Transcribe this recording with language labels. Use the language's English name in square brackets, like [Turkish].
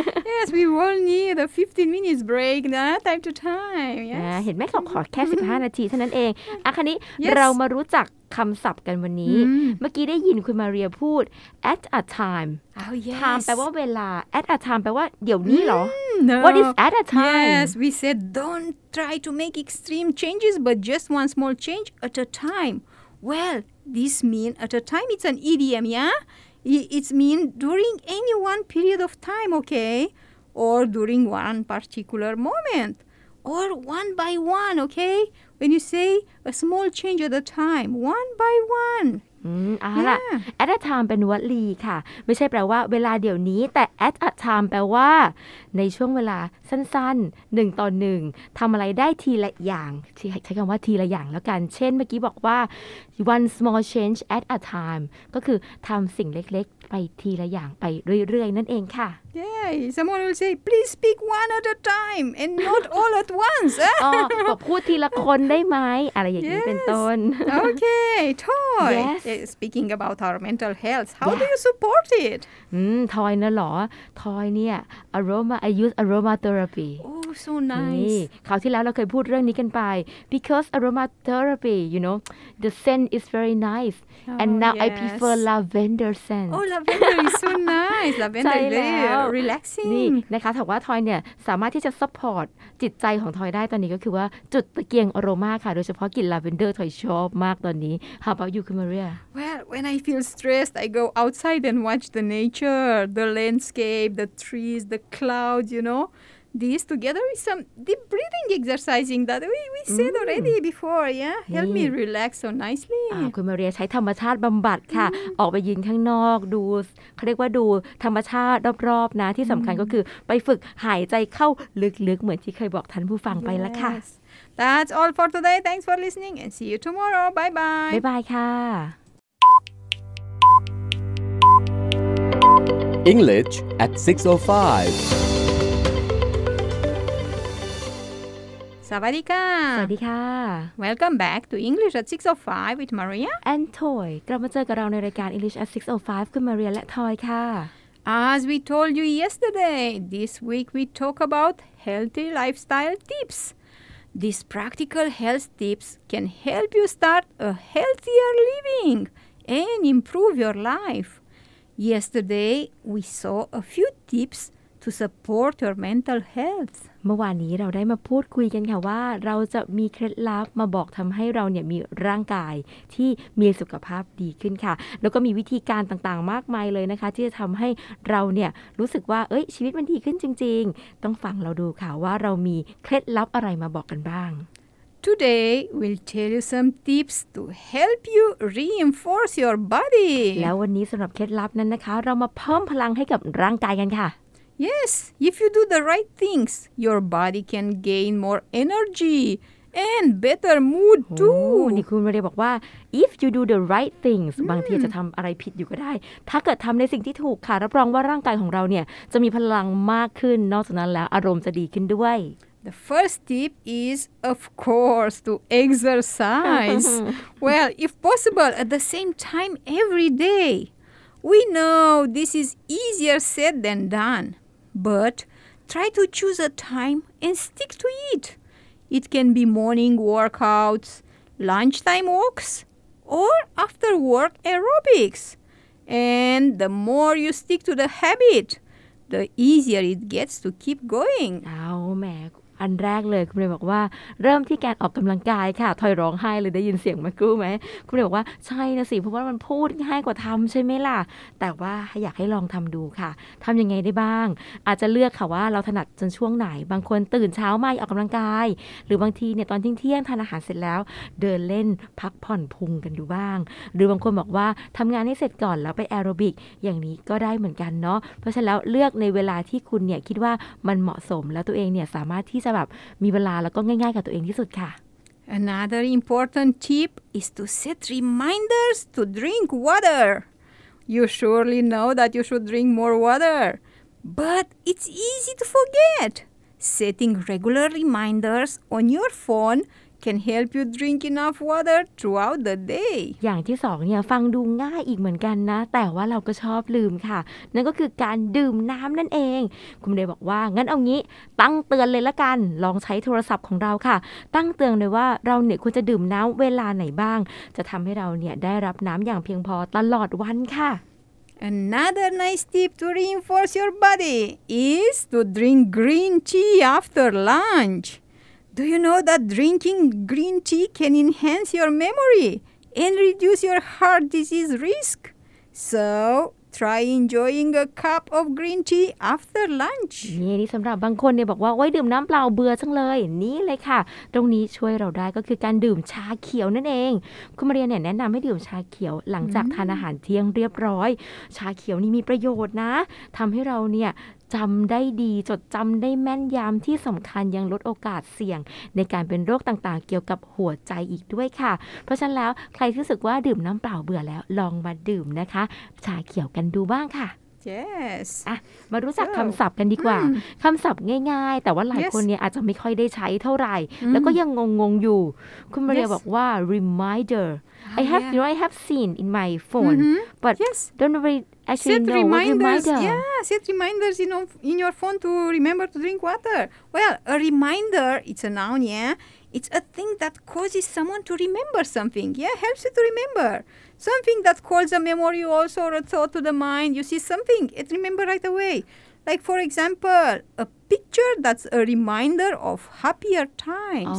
[English] Yes we all need a 15 minutes break [Thai] นะ [English] time to time yes. [Thai] เห็นไหมเขาขอแค่15นาทีเท่านั้นเองอ่ะคราวนี้ [English] yes. [Thai] เรามารู้จักคำศัพท์กันวันนี้ เมื่อกี้ได้ยินคุณมาเรียพูด [English] at a time oh, yes. [Thai] time แปลว่าเวลา [English] at a time [Thai] แปลว่าเดี๋ยวนี้เหรอ [English] no. what is at a time yes we said don't try to make extreme changes but just one small change at a time well this mean at a time it's an idiom yeah it's mean during any one period of time okay or during one particular moment or one by one okayWhen you say a small change at a time, one by one. [Thai] At a time เป็นวลีค่ะไม่ใช่แปลว่าเวลาเดี๋ยวนี้แต่ at a time แปลว่าในช่วงเวลาสั้นๆ1ต่อ1ทำอะไรได้ทีละอย่างใช้คำว่าทีละอย่างแล้วกันเช่นเมื่อกี้บอกว่า [English] one small change at a time [Thai] ก็คือทำสิ่งเล็กๆไปทีละอย่างไปเรื่อยๆนั่นเองค่ะ [English] Yay! Someone will say please speak one at a time and not all at once [Thai] พูดทีละคนได้ไหมอะไรอย่างนี้เป็นต้น [English] Okay, Toy Yes speaking about our mental health, how do you support it? Thoy na lo. Thoy [Thai] เนี่ย [English] aroma, I use aromatherapy. Oh, so nice. [Thai] คราวที่แล้วเราเคยพูดเรื่องนี้กันไป [English] because aromatherapy, you know, the scent is very nice. Oh, and now yes. I prefer lavender scent. Oh, lavender is so nice. Lavender is very relaxing. [Thai] นี่นะคะถามว่าทอยเนี่ยสามารถที่จะ support จิตใจของทอยได้ตอนนี้ก็คือว่าจุดตะเกียงอโรมาค่ะโดยเฉพาะกลิ่นลาเวนเดอร์ทอยชอบมากตอนนี้ [English] How about you, Kumaria? Well, when I feel stressed, I go outside and watch the nature, the landscape, the trees, the clouds, you know. These together with some deep breathing exercising that we said already before, yeah? Help me relax so nicely. [Thai] Kumaria ใช้ธรรมชาติบำบัดค่ะออกไปยืนข้างนอกดูเขาเรียกว่าดูธรรมชาติรอบๆนะที่สำคัญก็คือไปฝึกหายใจเข้าลึกๆเหมือนที่เคยบอกท่านผู้ฟังไปแล้วค่ะ [English] That's all for today. Thanks for listening and see you tomorrow. Bye-bye. Bye-bye, [Thai] ค่ะ. [English] English at 6:05. [Thai] สวัสดีค่ะ. สวัสดีค่ะ. [English] Welcome back to English at 6:05 with Maria and Toy. [Thai] กลับมาเจอกับเราในรายการ English at 6:05 คุณ Maria และ Toy ค่ะ. [English] As we told you yesterday, this week we talk about healthy lifestyle tips. These practical health tips can help you start a healthier living and improve your life. Yesterday, we saw a few tips to support your mental health. [Thai] เมื่อวานนี้เราได้มาพูดคุยกันค่ะว่าเราจะมีเคล็ดลับมาบอกทำให้เราเนี่ยมีร่างกายที่มีสุขภาพดีขึ้นค่ะแล้วก็มีวิธีการต่างๆมากมายเลยนะคะที่จะทำให้เราเนี่ยรู้สึกว่าเอ้ยชีวิตมันดีขึ้นจริงๆต้องฟังเราดูค่ะว่าเรามีเคล็ดลับอะไรมาบอกกันบ้าง [English] Today we'll tell you some tips to help you reinforce your body [Thai] แล้ววันนี้สำหรับเคล็ดลับนั้นนะคะเรามาเพิ่มพลังให้กับร่างกายกันค่ะ [English] Yes, if you do the right things, your body can gain more energy and better mood too. [Thai] นี่คุณมาเรียบอกว่า [English] if you do the right things [Thai] บางทีจะทำอะไรผิดอยู่ก็ได้ถ้าเกิดทำในสิ่งที่ถูกค่ะรับรองว่าร่างกายของเราเนี่ยจะมีพลังมากขึ้นนอกจากนั้นแล้วอารมณ์จะดีขึ้นด้วย [English] The first tip is, of course, to exercise. Well, if possible, at the same time every day. We know this is easier said than done, but try to choose a time and stick to it. It can be morning workouts, lunchtime walks, or after work aerobics. And the more you stick to the habit, the easier it gets to keep going. Oh, man. [Thai] อันแรกเลยคุณเรียนบอกว่าเริ่มที่การออกกำลังกายค่ะทอยร้องไห้เลยได้ยินเสียงมากู้ไหมคุณเรียนบอกว่าใช่นะสิเพราะว่ามันพูดง่ายกว่าทำใช่ไหมล่ะแต่ว่าอยากให้ลองทำดูค่ะทำยังไงได้บ้างอาจจะเลือกค่ะว่าเราถนัดจนช่วงไหนบางคนตื่นเช้ามาออกกำลังกายหรือบางทีเนี่ยตอนเที่ยงทานอาหารเสร็จแล้ว เดินเล่นพักผ่อนพุงกันดูบ้างหรือบางคนบอกว่าทำงานให้เสร็จก่อนแล้วไปแอโรบิกอย่างนี้ก็ได้เหมือนกันเนาะเพราะฉะนั้นแล้วเลือกในเวลาที่คุณเนี่ยคิดว่ามันเหมาะสมแล้วตัวเองเนี่ยสามารถที่จะแบบมีเวลาแล้วก็ง่ายๆกับตัวเองที่สุดค่ะ [English] Another important tip is to set reminders to drink water. You surely know that you should drink more water, but it's easy to forget. Setting regular reminders on your phone can help you drink enough water throughout the day. [Thai] อย่างที่สองเนี่ยฟังดูง่ายอีกเหมือนกันนะแต่ว่าเราก็ชอบลืมค่ะนั่นก็คือการดื่มน้ำนั่นเองคุณเดย์บอกว่างั้นเอางี้ตั้งเตือนเลยละกันลองใช้โทรศัพท์ของเราค่ะตั้งเตือนเลยว่าเราเนี่ยควรจะดื่มน้ำเวลาไหนบ้างจะทำให้เราเนี่ยได้รับน้ำอย่างเพียงพอตลอดวันค่ะ [English] Another nice tip to reinforce your body is to drink green tea after lunch. Do you know that drinking green tea can enhance your memory and reduce your heart disease risk? So, try enjoying a cup of green tea after lunch. [Thai] นี่สำหรับบางคนเนี่ยบอกว่าโอ๊ยดื่มน้ำเปล่าเบื่อจังเลยนี่เลยค่ะตรงนี้ช่วยเราได้ก็คือการดื่มชาเขียวนั่นเองคุณมาเรียนเนี่ยแนะนำให้ดื่มชาเขียวหลังจากทานอาหารเที่ยงเรียบร้อยชาเขียวนี่มีประโยชน์นะทำให้เราเนี่ยจำได้ดีจดจำได้แม่นยำที่สำคัญยังลดโอกาสเสี่ยงในการเป็นโรคต่างๆเกี่ยวกับหัวใจอีกด้วยค่ะเพราะฉะนั้นแล้วใครที่รู้สึกว่าดื่มน้ำเปล่าเบื่อแล้วลองมาดื่มนะคะชาเขียวกันดูบ้างค่ะ [English] จ Yes. [Thai] อ่ะมารู้จักคำศัพท์กันดีกว่าคำศัพท์ง่ายๆแต่ว่าหลายคนเนี่ยอาจจะไม่ค่อยได้ใช้เท่าไหร่แล้วก็ยังงงๆอยู่คุณมาเรียบอกว่า reminder [English] I have you know I have seen in my phone but don't really actually set know reminders. Yeah, set reminders in your phone to remember to drink water. Well, a reminder it's a noun, yeah. It's a thing that causes someone to remember something. Yeah, helps you to remember. Something that calls a memory also or a thought to the mind. You see something, it remember right away. Like, for example, a picture that's a reminder of happier times.